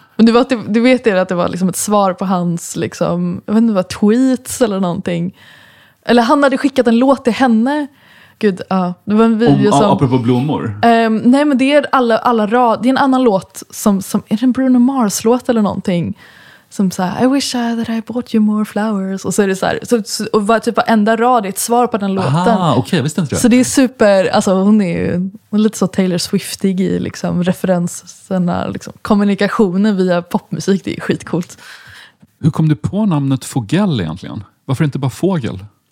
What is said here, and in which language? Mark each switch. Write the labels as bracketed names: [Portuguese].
[Swedish] Men du vet ju att det var liksom ett svar på hans liksom, jag vet inte vad, tweets eller någonting. Eller han hade skickat en låt till henne. Gud, ja. Det var en video om, som... apropå blommor. Nej, men det är alla rad... Det är en annan låt som... Är det en Bruno Mars-låt eller någonting? Som så här... [English] I wish I that I bought you more flowers. [Swedish] Och så är det så här... Och var typ enda rad är ett svar på den låten. Aha, okej. Okay, visst inte det. Så det är super... Alltså, hon är ju lite så Taylor Swiftig i liksom referenserna. Liksom, kommunikationen via popmusik. Det är skitcoolt. Hur kom du på namnet Fogel egentligen? Varför inte bara Fogel?